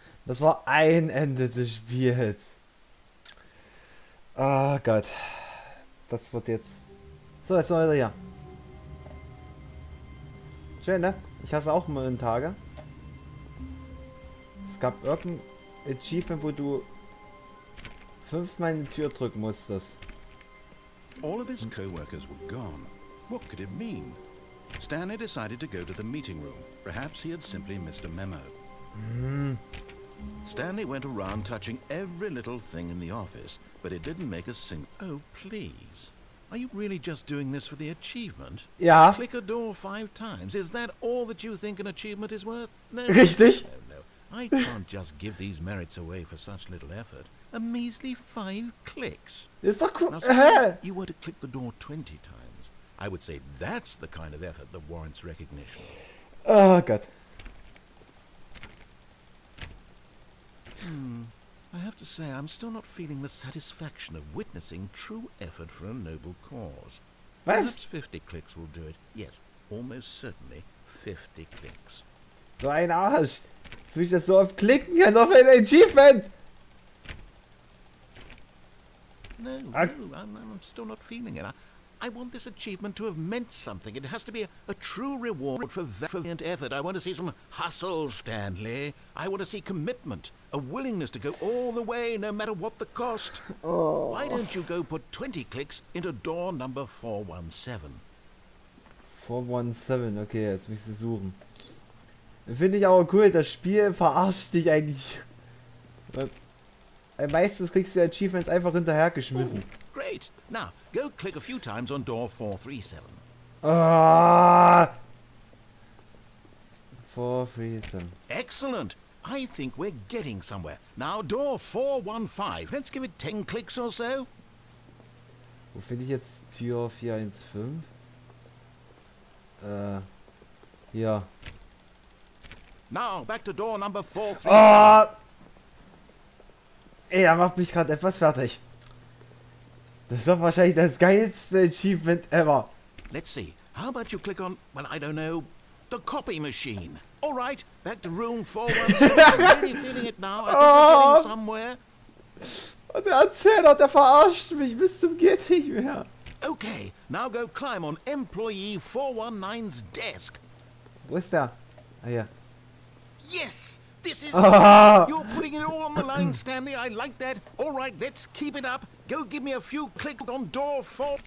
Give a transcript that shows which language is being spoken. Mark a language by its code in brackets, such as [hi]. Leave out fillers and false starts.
[de] Das war ein Ende des Spiels. Ah, oh Gott. Das wird jetzt... So, jetzt sind wir wieder hier. Schön, ne? Ich hasse auch mal einen Tage. Es gab irgendein Achievement, wo du fünfmal in die Tür drücken musstest. [en] All of his co-workers were gone. What could it mean? Stanley decided to go to the meeting room. Perhaps he had simply missed a memo. Stanley went around touching every little thing in the office, but it didn't make a single... Oh, please. Are you really just doing this for the achievement? Yeah. Click a door 5 times. Is that all that you think an achievement is worth? No. [de] Richtig. [en] No, no. I can't just give these merits away for such little effort. A measly 5 clicks. It's a you were to click the door 20 times. I would say that's the kind of effort that warrants recognition. Oh, God. I have to say, I'm still not feeling the satisfaction of witnessing true effort for a noble cause. [de] Was? [en] Perhaps 50 clicks will do it. Yes, almost certainly 50 clicks. [de] So ein Arsch! Jetzt will ich das so oft klicken und auf ein Achievement! [en] No, no, I'm still not feeling it. I want this achievement to have meant something. It has to be a true reward for valiant effort. I want to see some hustle, Stanley. I want to see commitment, a willingness to go all the way, no matter what the cost. Oh. Why don't you go put 20 clicks into door number 417? [de] 417, okay, jetzt muss ich sie suchen. Finde ich aber cool, das Spiel verarscht dich eigentlich. Meistens kriegst du die Achievements einfach hinterhergeschmissen. Oh. [en] Great. Now, go click a few times on door 437. Ah! 437. Excellent. I think we're getting somewhere. Now, door 415. Let's give it 10 clicks or so. [de] Wo finde ich jetzt Tür 415? Ja. [en] Now, back to door number 437. Ah! [de] Ey, er macht mich gerade etwas fertig. Das ist doch wahrscheinlich das geilste Achievement ever. [en] Let's see. How about you click on, well, I don't know, the copy machine. All right, back to room 417. Are you feeling it now? I think we're getting somewhere. [de] Und der Erzähler, der verarscht mich bis zum geht nicht mehr. [en] Okay, now go climb on employee 419's desk. [de] Wo ist der? Ah, ja. [en] Yes, this is You're putting it all on the line, Stanley. I like that. All right, let's keep it up. Go give me a few clicks on door 4.